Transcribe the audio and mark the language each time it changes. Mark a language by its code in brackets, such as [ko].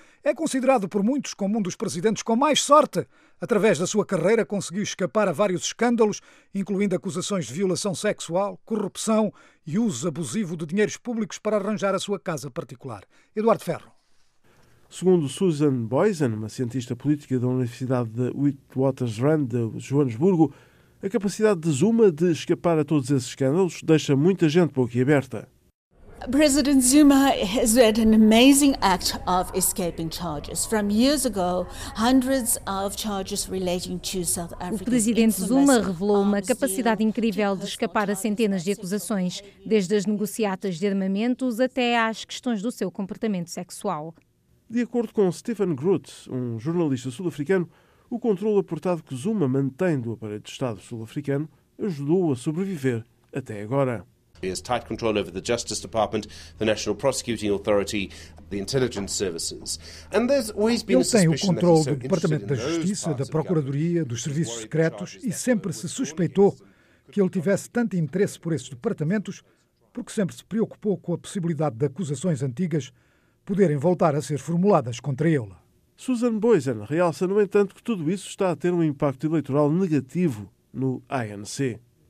[pt] É considerado por muitos como um dos presidentes com mais sorte. Através da sua carreira, conseguiu escapar a vários escândalos, incluindo acusações de violação sexual, corrupção e uso abusivo de dinheiros públicos para arranjar a sua casa particular. Eduardo Ferro. Segundo Susan Boysen, uma cientista política da Universidade de Witwatersrand, de Joanesburgo, a capacidade de Zuma de escapar a todos esses escândalos deixa muita gente boquiaberta. [en] President Zuma has had an amazing act of escaping charges. From years ago, hundreds of charges relating to South Africa. [pt] O presidente Zuma revelou uma capacidade incrível de escapar a centenas de acusações, desde as negociatas de armamentos até às questões do seu comportamento sexual. De acordo com Stephen Groot, um jornalista sul-africano, o controle apertado que Zuma mantém do aparelho de Estado sul-africano ajudou a sobreviver até agora. [en] He has tight control over the Justice Department, the National Prosecuting Authority, the intelligence services. And there's always been a suspicion. [pt] Ele tem o controle do Departamento da Justiça, da Procuradoria, dos serviços secretos, e sempre se suspeitou que ele tivesse tanto interesse por esses departamentos, porque sempre se preocupou com a possibilidade de acusações antigas poderem voltar a ser formuladas contra ele. Susan Boysen realça, no entanto, que tudo isso está a ter um impacto eleitoral negativo no ANC.